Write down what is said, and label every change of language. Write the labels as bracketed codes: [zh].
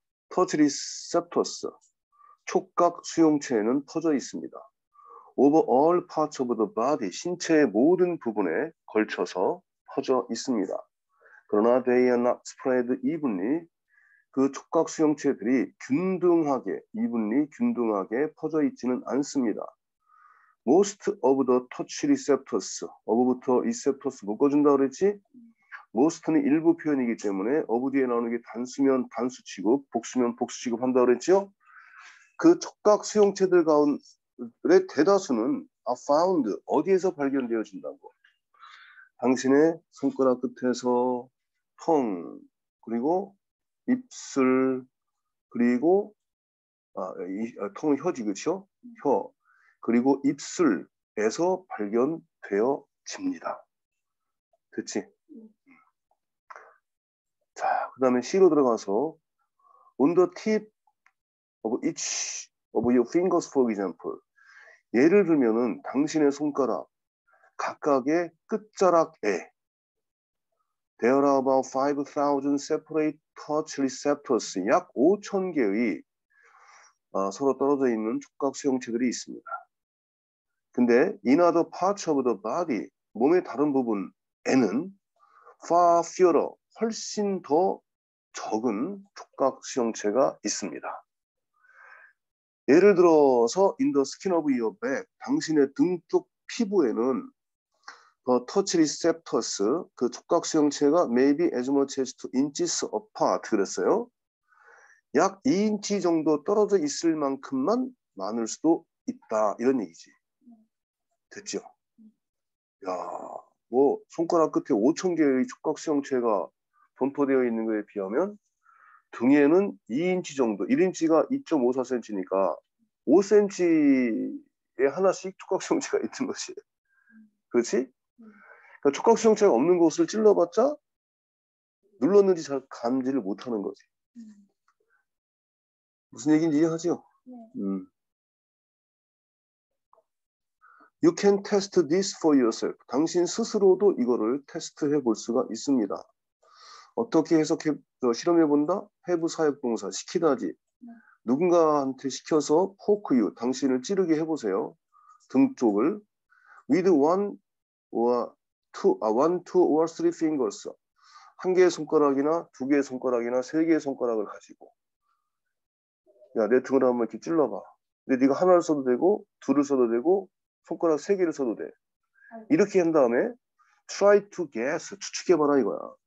[ko] 터치 리셉터스. 촉각 수용체에는 퍼져 있습니다. [en] Over all parts of the body, [ko] 신체의 모든 부분에 걸쳐서 퍼져 있습니다. 그러나 [en] they are not spread evenly. [ko] 그 촉각 수용체들이 균등하게, evenly, 균등하게 퍼져 있지는 않습니다. [en] Most of the touch receptors, of부터 receptors [ko] 묶어준다 그랬지? Most는 일부 표현이기 때문에 of 뒤에 나오는 게 단수면 단수 취급, 복수면 복수 취급 한다 그랬지요? 그 촉각 수용체들 가운데 대다수는 [en] are found [ko] 어디에서 발견되어진다고? 당신의 손가락 끝에서 턴 그리고 입술 그리고 턴 혀지 그렇죠? 혀 그리고 입술에서 발견되어집니다. 됐지? 자, 그 다음에 C로 들어가서 [en] On the tip of each of your fingers, for example. [ko] 예를 들면은 당신의 손가락 각각의 끝자락에 [en] There are about 5,000 separate touch receptors. [ko] 약 5,000개의 서로 떨어져 있는 촉각 수용체들이 있습니다. 근데 [en] in other parts of the body, [ko] 몸의 다른 부분에는 [en] far fewer, [ko] 훨씬 더 적은 촉각 수용체가 있습니다. [en] 예를 들어서 in the skin of your back, [ko] 당신의 등쪽 피부에는 [en] the touch receptors, [ko] 그 촉각 수용체가 [en] maybe as much as 2 inches apart [ko] 그랬어요. 약 2인치 정도 떨어져 있을 만큼만 많을 수도 있다. 이런 얘기지. 됐죠? 야, 뭐 손가락 끝에 5,000개의 촉각 수용체가 분포되어 있는 것에 비하면 등에는 2인치 정도, 1인치가 2.54cm니까 5cm에 하나씩 촉각 수용체가 있는 것이. 그렇지? 그러니까 촉각 수용체가 없는 곳을 찔러봤자 눌렀는지 잘 감지를 못하는 거지. 무슨 얘기인지 이해하죠? 네. [en] You can test this for yourself. [ko] 당신 스스로도 이거를 테스트해 볼 수가 있습니다. 어떻게 해서 실험해본다? Have 사역동사, 시키다지. 네. 누군가한테 시켜서 [en] poke you, [ko] 당신을 찌르게 해보세요. 등쪽을. [en] With one, two, or three fingers. [ko] 한 개의 손가락이나 두 개의 손가락이나 세 개의 손가락을 가지고. 야, 내 등을 한번 이렇게 찔러봐. 근데 네가 하나를 써도 되고, 둘을 써도 되고, 손가락 세 개를 써도 돼. 이렇게 한 다음에 [en] try to guess, [ko] 추측해봐라 이거야.